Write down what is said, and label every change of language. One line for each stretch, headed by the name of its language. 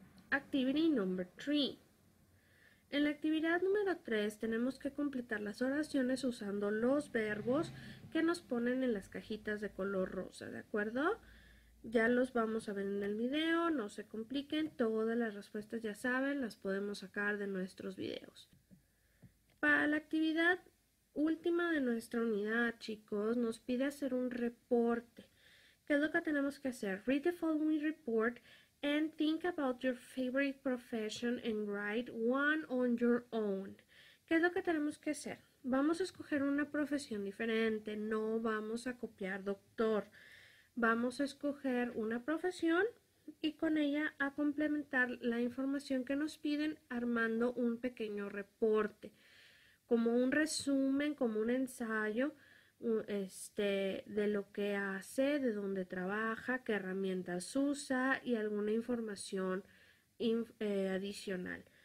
Spanish: Activity number 3. En la actividad número 3, tenemos que completar las oraciones usando los verbos que nos ponen en las cajitas de color rosa, ¿de acuerdo? Ya los vamos a ver en el video, no se compliquen, todas las respuestas ya saben, las podemos sacar de nuestros videos. Para la actividad última de nuestra unidad, chicos, nos pide hacer un reporte. ¿Qué es lo que tenemos que hacer?
English: Read the following report and think about your favorite profession and write one on your own.
Spanish: ¿Qué es lo que tenemos que hacer? Vamos a escoger una profesión diferente, no vamos a copiar doctor. Vamos a escoger una profesión y con ella a complementar la información que nos piden armando un pequeño reporte, como un resumen, como un ensayo de lo que hace, de dónde trabaja, qué herramientas usa y alguna información adicional.